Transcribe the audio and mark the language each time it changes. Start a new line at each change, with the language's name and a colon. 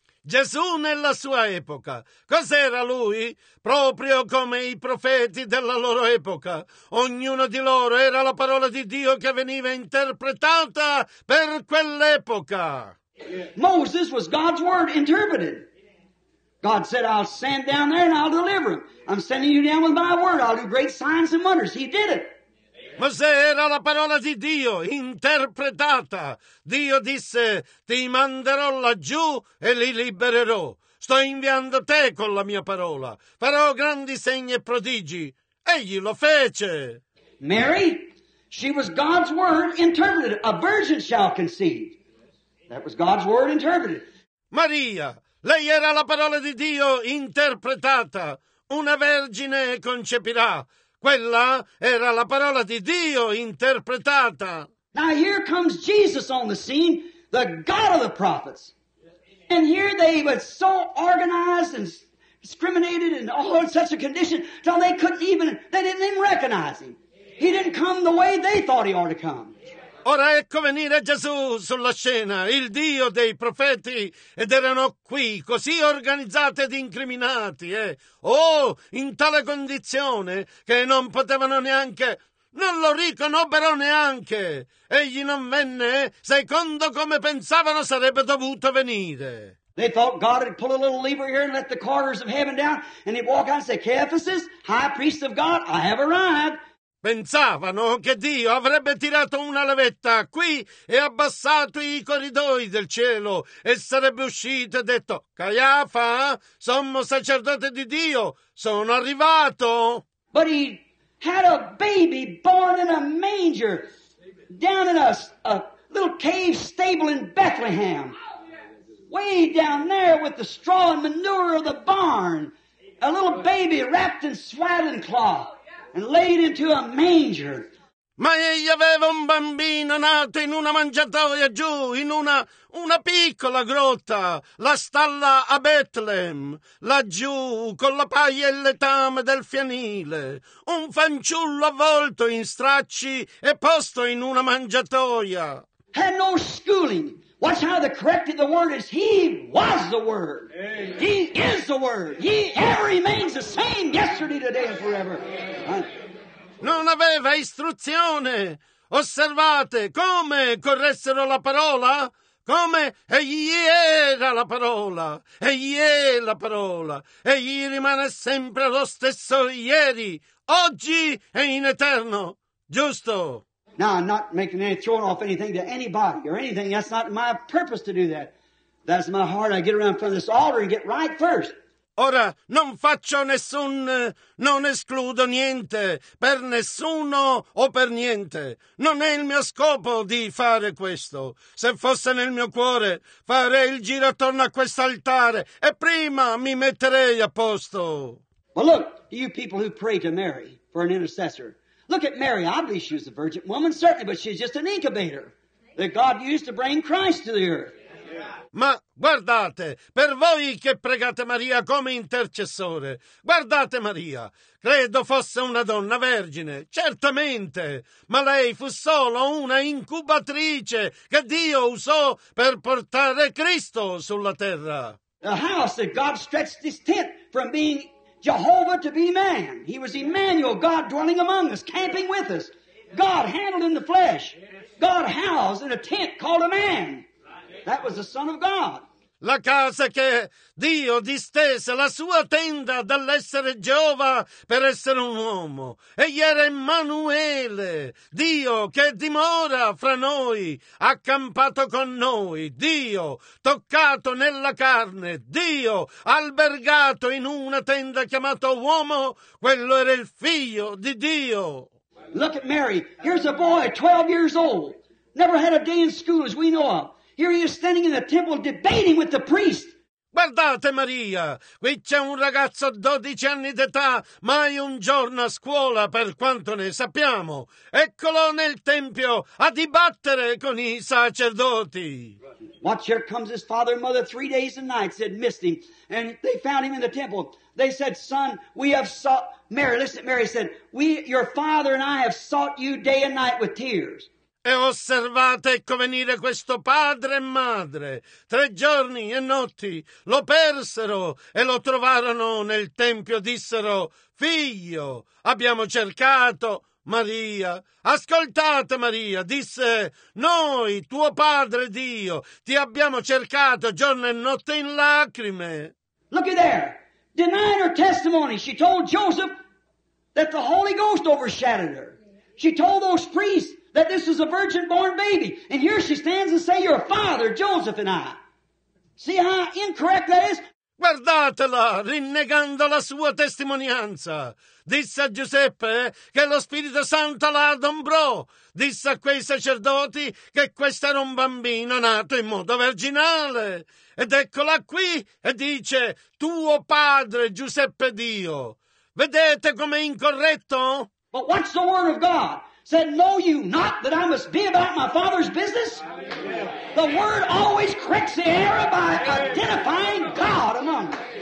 Italian: Gesù nella sua epoca, cos'era lui? Proprio come i profeti della loro epoca. Ognuno di loro era la parola di Dio che veniva interpretata per quell'epoca.
English: Moses was God's word interpreted. God said, I'll send down there and I'll deliver him. I'm sending you down with my word. I'll do great signs and wonders. He did it.
Italian: Mosè era la parola di Dio interpretata. Dio disse, ti manderò laggiù e li libererò. Sto inviando te con la mia parola. Farò grandi segni e prodigi. Egli lo fece.
English: Mary, she was God's word interpreted. A virgin shall conceive. That was God's word interpreted.
Italian: Maria, lei era la parola di Dio interpretata. Una vergine concepirà. Quella era la parola di Dio interpretata.
English: Now here comes Jesus on the scene, the God of the prophets. And here they were so organized and discriminated and all in such a condition till they couldn't even, they didn't even recognize him. He didn't come the way they thought he ought to come.
Italian: Ora ecco venire Gesù sulla scena, il Dio dei profeti, ed erano qui, così organizzati ed incriminati, in tale condizione che non potevano neanche, non lo riconobbero neanche. Egli non venne secondo come pensavano sarebbe dovuto venire.
English: They thought God had pulled a little lever here and let the corridors of heaven down, and he'd walk out and say, Caiaphas, high priest of God, I have arrived.
Italian: Pensavano che Dio avrebbe tirato una levetta qui e abbassato i corridoi del cielo e sarebbe uscito e detto, Caiafa, sommo sacerdote di Dio, sono arrivato.
English: But he had a baby born in a manger down in a little cave stable in Bethlehem. Way down there with the straw and manure of the barn. A little baby wrapped in swaddling cloth. And laid into a manger.
Italian: Ma egli aveva un bambino nato in una mangiatoia giù, in una piccola grotta, la stalla a Bethlehem, laggiù con la paglia e il letame del fienile, un fanciullo avvolto in stracci e posto in una mangiatoia.
English: Had no schooling. Watch how the corrected the word is. He was the word. Amen. He is the word. He ever remains the same yesterday, today, and forever.
Italian: Non aveva istruzione. Osservate come corressero la parola. come egli era la parola, egli è la parola, egli rimane sempre lo stesso ieri, oggi e in eterno, giusto?
English: Now, I'm not making any, throwing off anything to anybody or anything. That's not my purpose to do that. That's my heart. I get around in front of this altar and get right first.
Italian: Ora, non faccio nessun, non escludo niente, per nessuno o per niente. Non è il mio scopo di fare questo. Se fosse nel mio cuore, farei il giro attorno a quest'altare e prima mi metterei a posto.
English: Well, look, you people who pray to Mary for an intercessor, look at Mary. I believe she was a virgin woman, certainly, but she's just an incubator that God used to bring Christ to the earth.
Italian: Ma guardate, per voi che pregate Maria come intercessore, guardate Maria, credo fosse una donna vergine, certamente, ma lei fu solo una incubatrice che Dio usò per portare Cristo sulla terra.
English: A house that God stretched his tent from being Jehovah to be man. He was Emmanuel, God dwelling among us, camping with us. God handled in the flesh. God housed in a tent called a man. That was the Son of God.
Italian: La casa che Dio distese, la sua tenda dall'essere Geova per essere un uomo. Egli era Emmanuele, Dio che dimora fra noi, accampato con noi, Dio toccato nella carne, Dio albergato in una tenda chiamato uomo, quello era il figlio di Dio.
English: Look at Mary, here's a boy, 12 years old, never had a day in school as we know of. Here he is standing in the temple debating with the priest.
Italian: Guardate Maria, qui c'è un ragazzo 12 anni d'età, mai un giorno a scuola per quanto ne sappiamo. Eccolo nel tempio a dibattere con i sacerdoti.
English: Watch, here comes his father and mother 3 days and nights. They'd missed him, and they found him in the temple. They said, "Son, we have sought Mary." Listen, Mary said, "We, your father and I, have sought you day and night with tears."
Italian: E osservate, ecco venire questo padre e madre. 3 giorni e notti lo persero e lo trovarono nel tempio. Dissero, figlio, abbiamo cercato Maria. Ascoltate Maria, disse, noi, tuo padre Dio, ti abbiamo cercato giorno e notte in lacrime.
English: Look at there, denying her testimony, she told Joseph that the Holy Ghost overshadowed her. She told those priests that this is a virgin-born baby. And here she stands and says, your father, Joseph and I. See how incorrect that is?
Italian: Guardatela, rinnegando la sua testimonianza. Disse a Giuseppe che lo Spirito Santo la adombrò. Disse a quei sacerdoti che questo era un bambino nato in modo virginale. Ed eccola qui e dice, tuo padre, Giuseppe Dio. Vedete com'è incorretto?
English: But what's the word of God? Said, know you not that I must be about my father's business? The word always corrects the error by identifying God among them.